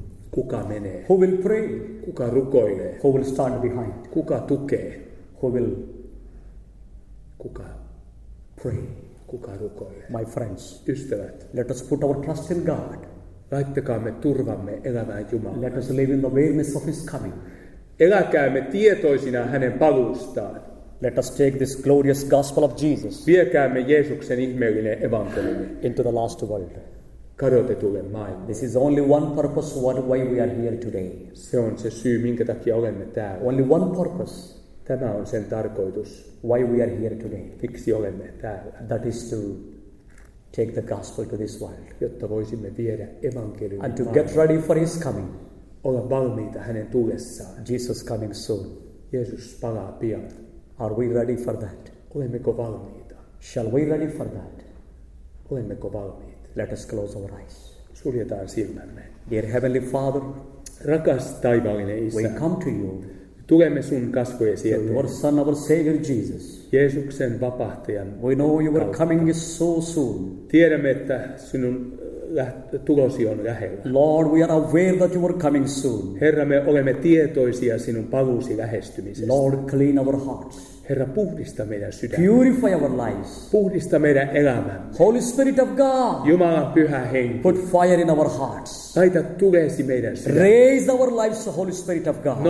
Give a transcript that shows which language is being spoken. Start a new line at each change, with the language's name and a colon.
Finnish: Kuka menee?
English: Who will pray?
Finnish: Kuka rukoilee?
English: Who will stand behind?
Finnish: Kuka tukee?
English: Who will
Finnish: kuka
English: pray?
Finnish: Kuka rukoilee?
English: My friends,
Finnish: ystävät,
English: let us put our trust in God.
Finnish: Laittakaamme turvamme elävään Jumalaan.
English: Let us live in the awareness of His coming.
Finnish: Eläkäämme tietoisina hänen paluustaan.
English: Let us take this glorious gospel of Jesus.
Finnish: Viekäämme Jeesuksen ihmeellinen evankeliumi
English: into the lost world.
Finnish: Kadotetulle maailmalle.
English: This is only one purpose why we are here today.
Finnish: Se on se syy, minkä takia olemme täällä.
English: Only one purpose.
Finnish: Tämä on sen tarkoitus.
English: Why we are here today.
Finnish: Miksi olemme täällä.
English: That is to take the gospel to this world.
Finnish: Jotta voisimme viedä evankeliumi.
English: And to get ready for His coming.
Finnish: Olla valmiita hänen tullessaan.
English: Jesus coming soon.
Finnish: Jeesus palaa pian.
English: Are we ready for that?
Finnish: Olemmeko valmiita?
English: Shall we ready for that?
Finnish: Olemmeko valmiita?
English: Let us close our eyes.
Finnish: Suljetaan silmämme.
English: Dear Heavenly Father,
Finnish: rakas taivaallinen Isä,
English: we come to you.
Finnish: Tulemme sun kasvojesi eteen.
English: Your Son, our Savior Jesus.
Finnish: Jeesuksen vapahtajan.
English: We know you are coming so soon.
Finnish: Tiedämme, että sinun tulosi on lähellä.
English: Lord, we are aware that you are coming soon.
Finnish: Herra, me olemme tietoisia sinun paluusi lähestymisestä.
English: Lord, clean our hearts.
Finnish: Herra, puhdista meidän sydämme.
English: Purify our lives.
Finnish: Puhdista meidän elämämme.
English: Holy Spirit of God.
Finnish: Jumalan pyhä henki.
English: Put fire in our hearts.
Finnish: Laita tulesi meidän sydämme.
English: Raise our lives, Holy Spirit of God.